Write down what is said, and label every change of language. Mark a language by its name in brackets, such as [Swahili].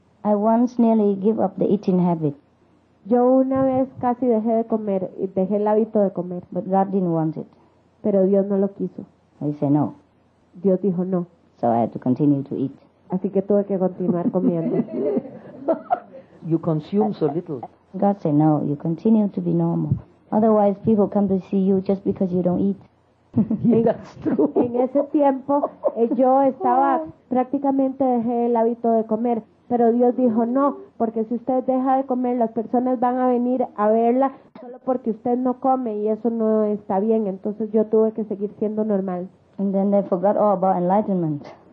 [English] I once nearly gave up the eating habit. [Spanish] Yo una vez casi dejé de comer y dejé el hábito de comer. [English] But God didn't want it. [Spanish] Pero Dios no lo quiso. [English] He said no. [Spanish] Dios dijo no. [English] So I had to continue to eat. [Spanish] Así que tuve que continuar comiendo. [English] You consume so little. God said no, you continue to be normal. Otherwise people come to see you just because you don't eat. Yeah, that's true. [Spanish] En ese tiempo yo estaba prácticamente dejé el hábito de comer. Pero Dios dijo no, porque si usted deja de comer, las personas van a venir a verla solo porque usted no come y eso no está bien. Entonces yo tuve que seguir siendo normal. [English] And then they forgot all about enlightenment.